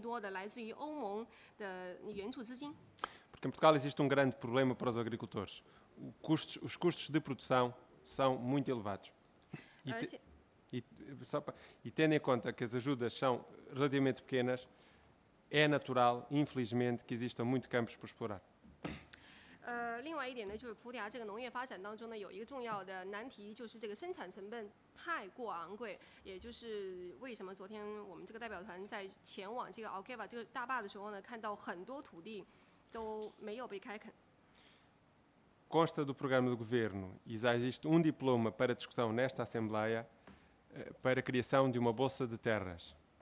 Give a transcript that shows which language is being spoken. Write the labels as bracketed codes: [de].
[zh] 也非常希望呢，就在这个审核手续完成之后呢，葡萄牙能够获得更多的来自于欧盟的援助资金。 [pt] Porque em Portugal existe grande problema para os agricultores. Os custos de produção são muito elevados. E tendo em conta que as ajudas são relativamente pequenas, é natural, infelizmente, que existam muitos campos por explorar. [zh] 另外一点呢，就是葡萄牙这个农业发展当中呢，有一个重要的难题，就是这个生产成本太过昂贵，也就是为什么昨天我们这个代表团在前往这个 Alqueva 这个大坝的时候呢，看到很多土地都没有被开垦。 [pt] Consta do programa do governo e já existe diploma para discussão nesta assembleia para a criação de uma bolsa de terras.